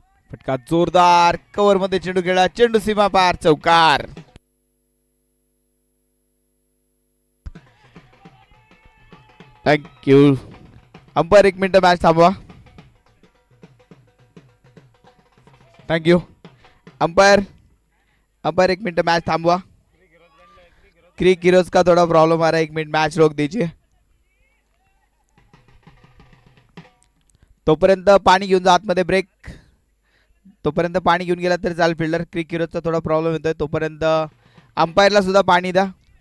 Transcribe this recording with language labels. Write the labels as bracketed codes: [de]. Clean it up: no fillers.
[mr] फटका जोरदार कवर मध्ये चेंडू खेळला, चेंडू सीमा पार चौकार। थैंक यू अंपायर, एक मिनट मैच थांबवा। थैंक यू अंपायर, अंपायर एक मिनट मैच थांबवा। [hi] क्रिक हीरोज का थोड़ा प्रॉब्लम आ रहा है, एक मिनट मैच रोक दीजिए। [mr] तोपर्यंत पानी घेऊन जा आत मध्ये ब्रेक, तोपर्यंत पानी घेऊन गेला तरी चाल फिल्डर। [hi] क्रिक हीरोज का थोड़ा प्रॉब्लम होता है, [mr] तोपर्यंत अंपायर ला सुद्धा पानी द्या।